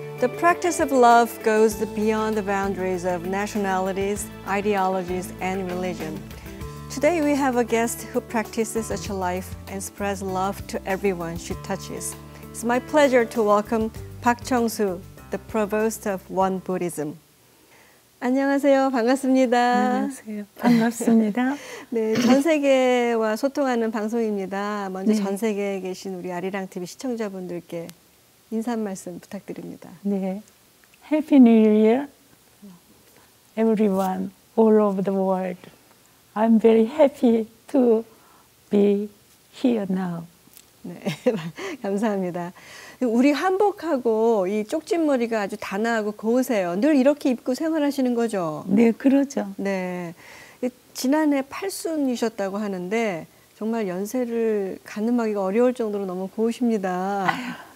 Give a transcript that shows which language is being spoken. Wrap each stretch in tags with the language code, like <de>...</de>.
<en>The practice of love goes beyond the boundaries of nationalities, ideologies, and religion. Today we have a guest who practices such a life and spreads love to everyone she touches. It's my pleasure to welcome Pak Chongsu, the provost of One Buddhism.</en> <ko>안녕하세요. 반갑습니다. 안녕하세요. 반갑습니다. 네, 전 세계와 소통하는 방송입니다. 먼저 네. 전 세계에 계신 우리 아리랑 TV 시청자분들께 인사 말씀 부탁드립니다. 네,</ko> <en>Happy New Year, everyone all over the world. I'm very happy to be here now.</en> <ko>네, 감사합니다. 우리 한복하고 이 쪽진머리가 아주 단아하고 고우세요. 늘 이렇게 입고 생활하시는 거죠? 네, 그러죠. 네, 지난해 팔순이셨다고 하는데 정말 연세를 가늠하기가 어려울 정도로 너무 고우십니다. 아유.</ko>